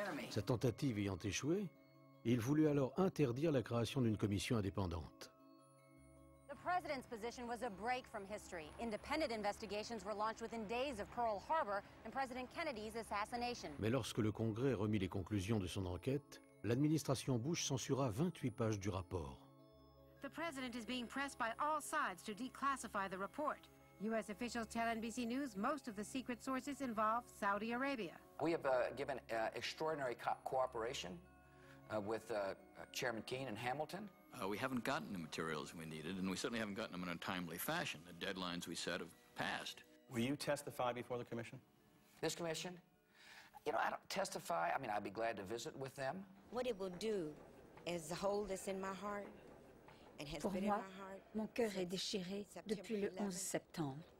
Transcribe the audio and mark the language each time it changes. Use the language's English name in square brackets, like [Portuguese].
[French] Sa tentative ayant échoué, il voulut alors interdire la création d'une commission indépendante. [English] The president's position was a break from history. Independent investigations were launched within days of Pearl Harbor and President Kennedy's assassination. [French] Mais lorsque le Congrès remit les conclusions de son enquête, l'administration Bush censura 28 pages du rapport. [English] The president is being pressed by all sides to declassify the report. U.S. officials tell NBC News most of the secret sources involve Saudi Arabia. We have given extraordinary cooperation with Chairman Keane and Hamilton. We haven't gotten the materials we needed, and we certainly haven't gotten them in a timely fashion. The deadlines we set have passed. Will you testify before the commission? This commission? You know, I don't testify. I mean, I'd be glad to visit with them. What it will do is hold this in my heart. [French] Pour moi, mon cœur est déchiré depuis le 11 septembre.